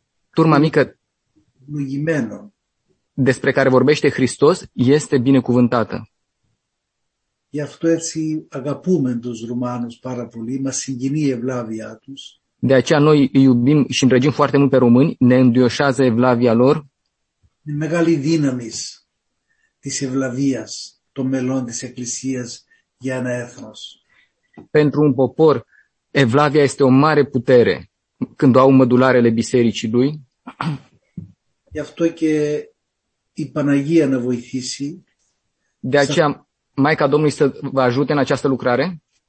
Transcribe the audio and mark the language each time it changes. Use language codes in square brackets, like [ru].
[ro] Turma mică despre care vorbește Hristos este binecuvântată. [el] Γι' αυτό έτσι αγαπούμε τους Ρουμάνους πάρα πολύ, μας συγκινεί η ευλάβειά τους. [ro] De aceea noi iubim și îndrăgim foarte mult pe români, ne înduioșează evlavia lor. [el] Η μεγάλη δύναμη της ευλαβίας των μελών της Εκκλησίας για ένα έθνος. [ro] Pentru un popor, evlavia este o mare putere când au mădularele bisericii lui. [el] Γι' αυτό και η Παναγία να βοηθήσει. [ro] De aceea Maica Domnului să vă ajute în această lucrare.